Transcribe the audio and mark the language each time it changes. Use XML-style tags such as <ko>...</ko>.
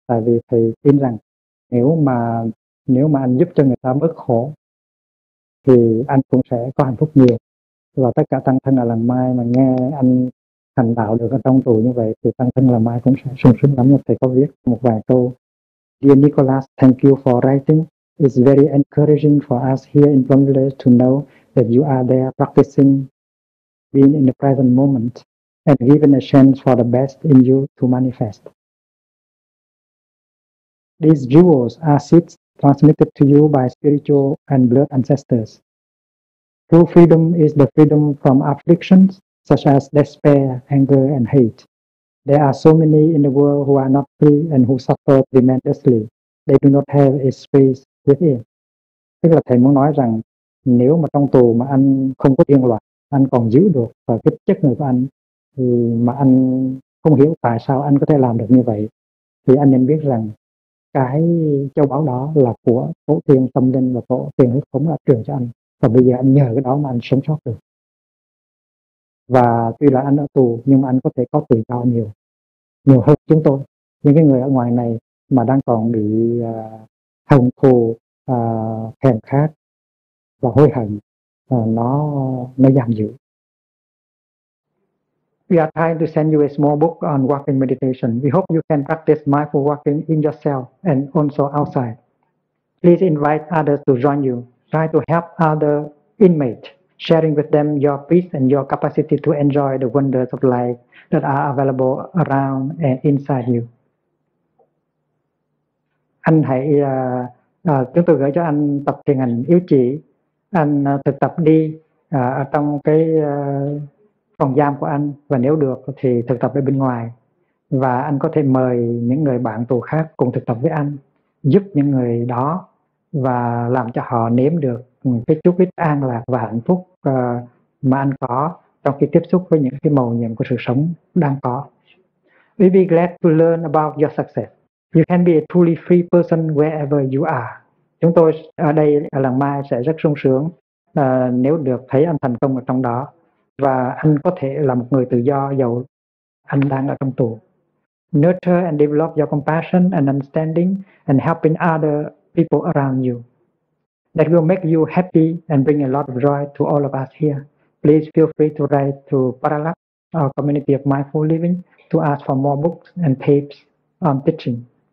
<vi>Tại vì thầy tin rằng nếu mà anh giúp cho người ta bớt khổ thì anh cũng sẽ có hạnh phúc nhiều. Và tất cả tăng thân ở làng Mai mà nghe anh thành đạo được ở trong tù như vậy thì tăng thân làng Mai cũng sẽ sung sướng lắm. Thầy có viết một vài câu:</vi> <en>Dear Nicholas, thank you for writing. It's very encouraging for us here in Bangladesh to know that you are there practicing, being in the present moment, and given a chance for the best in you to manifest. These jewels are seeds transmitted to you by spiritual and blood ancestors. True freedom is the freedom from afflictions such as despair, anger, and hate. There are so many in the world who are not free and who suffer tremendously. They do not have a space within.</en> <vi>Tức là thầy muốn nói rằng nếu mà trong tù mà anh không có thiên loại, anh còn giữ được và cái chất người của anh, thì mà anh không hiểu tại sao anh có thể làm được như vậy, thì anh nên biết rằng cái châu báu đó là của tổ tiên tâm linh và tổ tiên huyết thống đã truyền cho anh. Và bây giờ anh nhờ cái đó mà anh sống sót được. Và tuy là anh ở tù nhưng mà anh có thể có tự do nhiều, nhiều hơn chúng tôi. Những cái người ở ngoài này mà đang còn bị hận thù, thèm khát và hối hận, nó giam giữ.</vi> <en>We are trying to send you a small book on walking meditation. We hope you can practice mindful walking in yourself and also outside. Please invite others to join you. Try to help other inmates, sharing with them your peace and your capacity to enjoy the wonders of life that are available around and inside you.</en> <vi>Anh hãy chúng tôi gửi cho anh tập thiền hành yếu chỉ. Anh thực tập đi ở trong cái phòng giam của anh, và nếu được thì thực tập ở bên ngoài. Và anh có thể mời những người bạn tù khác cùng thực tập với anh, giúp những người đó và làm cho họ nếm được cái chút ít an lạc và hạnh phúc mà anh có trong khi tiếp xúc với những cái màu nhiệm của sự sống đang có.</vi> <en>We'll be glad to learn about your success. You can be a truly free person wherever you are.</en> <vi>Chúng tôi ở đây ở làng Mai sẽ rất sung sướng nếu được thấy anh thành công ở trong đó, và anh có thể là một người tự do dù anh đang ở trong tù.</vi> <en>Nurture and develop your compassion and understanding and helping other people around you. That will make you happy and bring a lot of joy to all of us here. Please feel free to write to Paralak, our community of mindful living, to ask for more books and tapes on teaching.</en>